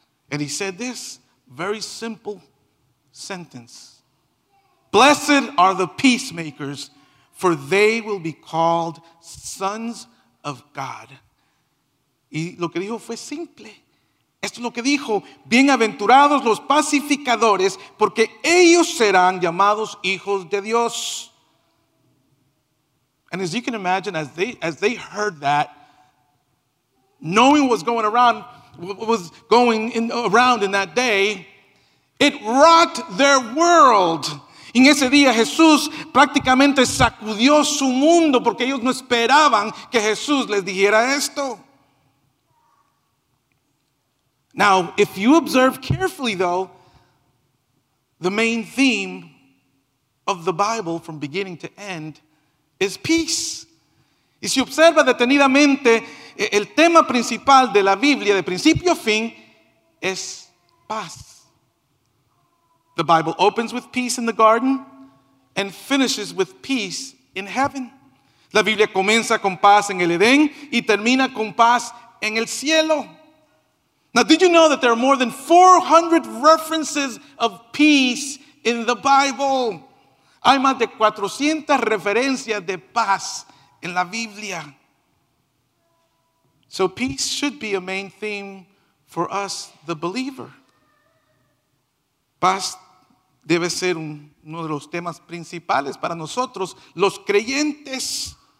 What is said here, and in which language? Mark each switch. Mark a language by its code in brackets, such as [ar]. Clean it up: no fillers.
[en] And he said this very simple sentence. Blessed are the peacemakers, for they will be called sons of God. [es] Y lo que dijo fue simple. Esto es lo que dijo, bienaventurados los pacificadores, porque ellos serán llamados hijos de Dios. [en] And as you can imagine, as they heard that, knowing what was going around in that day, it rocked their world. [es] En ese día Jesús prácticamente sacudió su mundo, porque ellos no esperaban que Jesús les dijera esto. [en] Now, if you observe carefully, though, the main theme of the Bible from beginning to end is peace. [es] Y si observa detenidamente, el tema principal de la Biblia, de principio a fin, es paz. [en] The Bible opens with peace in the garden and finishes with peace in heaven. [es] La Biblia comienza con paz en el Edén y termina con paz en el cielo. [en] Now, did you know that there are more than 400 references of peace in the Bible? [es] Hay más de 400 referencias de paz en la Biblia. [en] So peace should be a main theme for us, the believer. [es] Paz debe ser uno de los temas principales para nosotros, los creyentes.